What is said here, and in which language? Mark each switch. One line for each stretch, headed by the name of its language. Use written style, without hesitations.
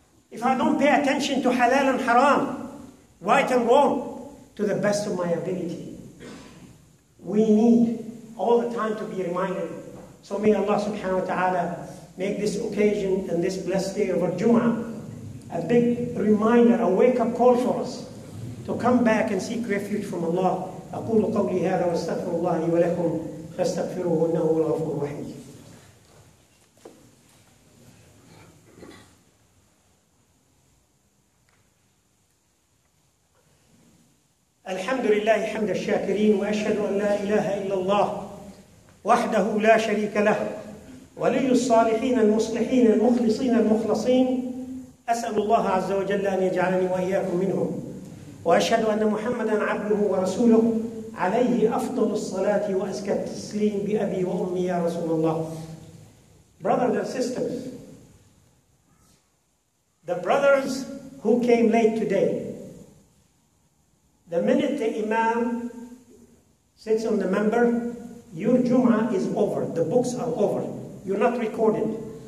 English: If I don't pay attention to halal and haram, right and wrong, to the best of my ability, we need all the time to be reminded. So may Allah subhanahu wa ta'ala make this occasion and this blessed day of our Jum'ah a big reminder, a wake-up call for us to come back and seek refuge from Allah.
Arabic: أقول قولي هذا واستغفر الله لي ولكم فاستغفروه إنه هو الغفور الرحيم. الحمد لله حمد الشاكرين وأشهد أن لا إله إلا الله وحده لا شريك له ولي الصالحين المصلحين المخلصين المخلصين. أسأل الله عز وجل أن يجعلني وإياكم منهم وأشهد أن محمدا عبده ورسوله عليه أفضل الصلاة وأزكى التسليم بأبي وأمي يا رسول الله.
English: Brothers and sisters, the brothers who came late today, the minute the Imam sits on the member, your Jum'ah is over. The books are over. You're not recorded.